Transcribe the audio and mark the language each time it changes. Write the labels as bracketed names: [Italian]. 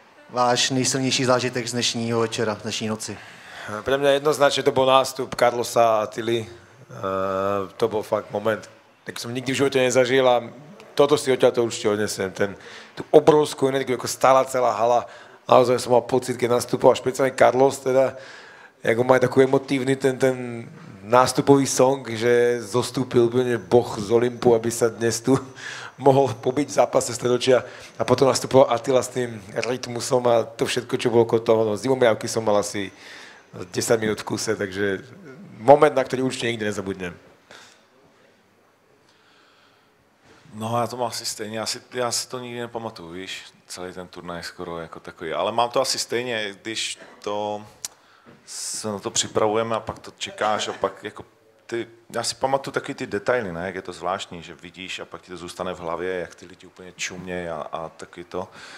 [Czech] Váš nejsilnější zážitek z dnešního večera, z dnešní noci. Pro mě jednoznačně to byl nástup Carlosa a Tilly. To byl fakt moment, tak jsem nikdy v životě nezažil [Slovak] a toto si odtiaľ to určitě odnesem, tu obrovskou energiu, [Czech] jako stála celá hala. [Slovak] Naozaj som mal pocit, keď nastupoval, špeciálne Carlos, teda, ako má takový emotívny ten nástupový song, že zostúpil úplne boh z Olympu, aby sa dnes tu mohol pobiť v zápase stredočia. A potom nastupoval Attila s tým rytmusom a to všetko, čo bolo okolo toho. No, zimomriavky som mal asi 10 minút v kuse, takže moment, na ktorý určite nikdy nezabudnem. [Czech] No, já to mám asi stejně, já si to nikdy nepamatuju, víš, celý ten turnaj skoro jako takový, ale mám to asi stejně, když to, se na to připravujeme a pak to čekáš a pak jako ty, já si pamatuju taky ty detaily, ne, jak je to zvláštní, že vidíš a pak ti to zůstane v hlavě, jak ty lidi úplně čumějí a taky to.